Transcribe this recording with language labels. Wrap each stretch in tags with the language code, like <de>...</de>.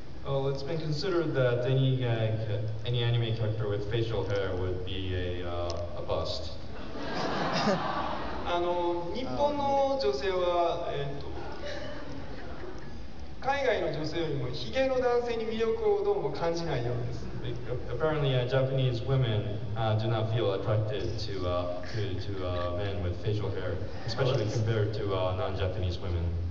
<en>Well, it's been considered that any anime character with facial hair would be a bust.</en> <ja>日本の女性は、海外の女性よりもヒゲの男性に魅力をどうも感じないようです。</ja> <en>Apparently, Japanese women do not feel attracted to men with facial hair, especially compared to non-Japanese women.</en>